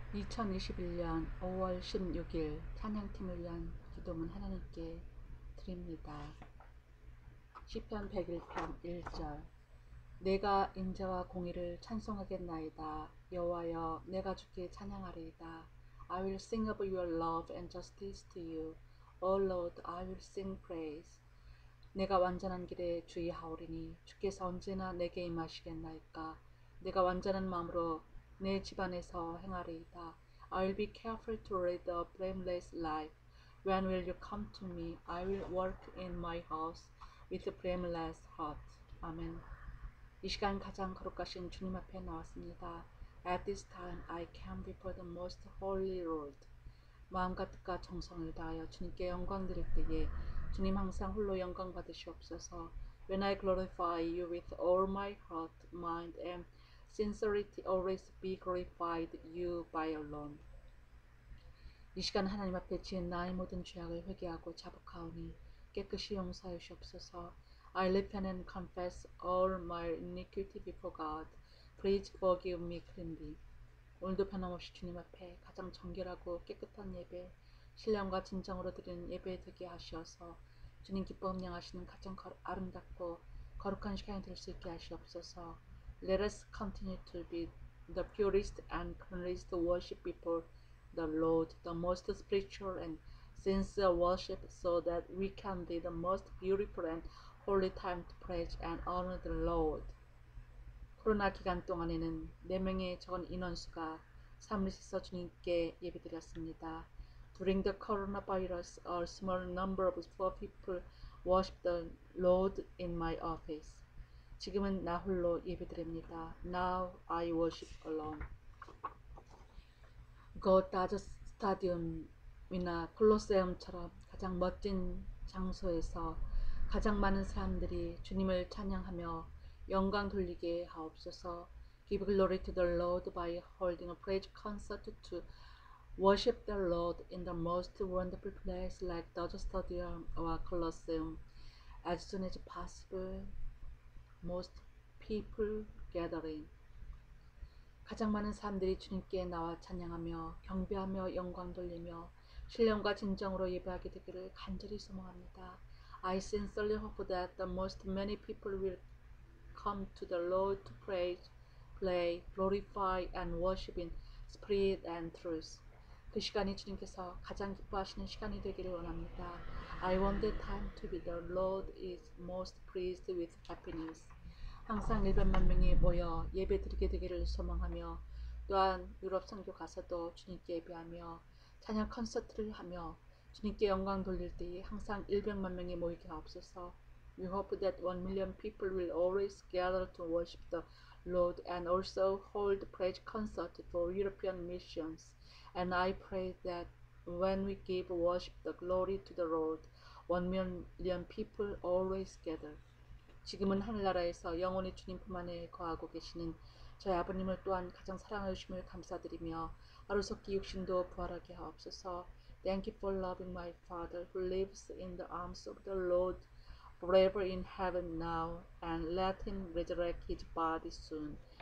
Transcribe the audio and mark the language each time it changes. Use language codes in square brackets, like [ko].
[ko] 2021년 5월 16일 찬양팀을 위한 기도문 하나님께 드립니다. 시편 101편 1절. 내가 인자와 공의를 찬송하겠나이다. 여호와여, 내가 주께 찬양하리이다. [en] I will sing of your love and justice to you. O Lord, I will sing praise. [ko] 내가 완전한 길에 주의하오리니 주께서 언제나 내게 임하시겠나이까? 내가 완전한 마음으로 내 집안에서 행하리이다. [en] I'll be careful to lead a blameless life. When will you come to me? I will walk in my house with a blameless heart. Amen. [ko] 이 시간 가장 거룩하신 주님 앞에 나왔습니다. [en] At this time, I come before the most holy Lord. [ko] 마음과 뜻과 정성을 다하여 주님께 영광 드릴 때에 주님 항상 홀로 영광 받으시옵소서. [en] When I glorify you with all my heart, mind, and sincerity, always be glorified you by alone. [ko] 이 시간 하나님 앞에 지은 나의 모든 죄악을 회개하고 자복하오니 깨끗이 용서해 주옵소서. [en] I repent and confess all my iniquity before God. Please forgive me clearly. [ko] 오늘도 변함없이 주님 앞에 가장 정결하고 깨끗한 예배, 신령과 진정으로 드리는 예배 되게 하시어서 주님 기뻐 음양하시는 가장 아름답고 거룩한 시간이 될수 있게 하시옵소서. [en] Let us continue to be the purest and cleanest worship before the Lord, the most spiritual and sincere worship, so that we can be the most beautiful and holy time to praise and honor the Lord. [ko] 코로나 기간 동안에는 4명의 적은 인원수가 사무실에서 주님께 예배드렸습니다. [en] During the coronavirus, a small number of four people worshiped the Lord in my office. [ko] 지금은 나 홀로 예배드립니다. [en] Now I worship alone. [ko] God Dodger Stadium이나 콜로세움처럼 가장 멋진 장소에서 가장 많은 사람들이 주님을 찬양하며 영광 돌리게 하옵소서. [en] Give glory to the Lord by holding a praise concert to worship the Lord in the most wonderful place like Dodger Stadium or Colosseum as soon as possible. Most people gathering. [ko] 가장 많은 사람들이 주님께 나와 찬양하며 경배하며 영광 돌리며 신령과 진정으로 예배하게 되기를 간절히 소망합니다. [en] I sincerely hope that the most many people will come to the Lord to praise, play, glorify, and worship in spirit and truth. [ko] 그 시간이 주님께서 가장 기뻐하시는 시간이 되기를 원합니다. [en] I want the time to be the Lord is most pleased with happiness. [ko] 항상 일백만 명이 모여 예배 드리게 되기를 소망하며, 또한 유럽 선교 가서도 주님께 예배하며 찬양 콘서트를 하며 주님께 영광 돌릴 때에 항상 일백만 명이 모이게 하옵소서. [en] We hope that 1 million people will always gather to worship the Lord and also hold praise concert for European missions. And I pray that when we give worship the glory to the Lord, 1 million people always gather. [ko] 지금은 하늘나라에서 영원히 주님 품 안에 거하고 계시는 저희 아버님을 또한 가장 사랑해 주심을 감사드리며 하루속히 육신도 부활하게 하옵소서. [en] Thank you for loving my Father who lives in the arms of the Lord forever in heaven now and let him resurrect his body soon.